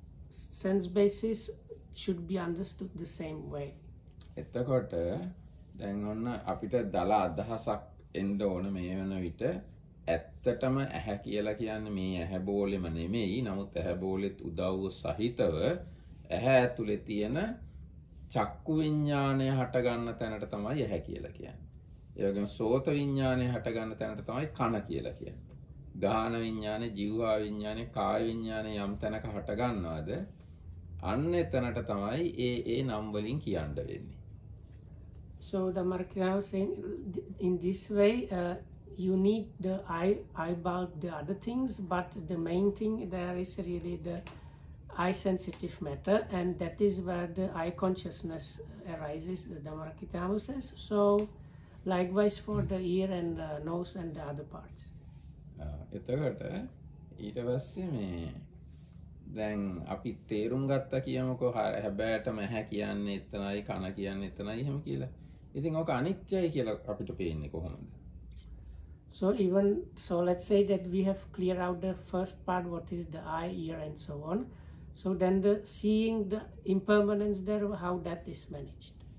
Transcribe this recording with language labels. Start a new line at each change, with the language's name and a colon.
English: sense basis should be understood the same way.
Sinhala: එතකොට දැන් ඔන්න අපිට දල අදහසක් එන්න ඕන මේ වෙන විට ඇත්තටම ඇහැ කියලා කියන්නේ මේ ඇහැ බෝලෙම නෙමෙයි නමුත් ඇහැ බෝලෙත් උදව්ව සහිතව ඇහැ ඇතුලේ තියෙන චක්කු විඥානය හට ගන්න තැනට තමයි ඇහැ කියලා කියන්නේ. ඒ වගේම සෝත විඥානය හට ගන්න තැනට තමයි කන කියලා කියන්නේ. ගාහන විඥානේ, ජීවා විඥානේ, කාය විඥානේ යම් තැනක හට ගන්නවද? අන්න එතනට තමයි ඒ නම් වලින් කියන්න වෙන්නේ.
English: So the Markov saying in this way you need the eyeball the other things but the main thing there is really the eye sensitive matter and that is where the eye consciousness arises the Dhammakitama says so likewise for the ear and nose and the other parts
Sinhala: එතකොට ඊට පස්සේ මේ දැන් අපි තේරුම් ගත්ත කියමුකෝ හැබෑටම ඇහැ කියන්නේ එතනයි කන කියන්නේ එතනයි එහෙම කියලා ඉතින් ඕක අනිත්‍යයි කියලා අපිට පේන්නේ කොහොමද
English: So even so let's say that we have clear out the first part what is the eye ear and so on so then the seeing the impermanence there how that is managed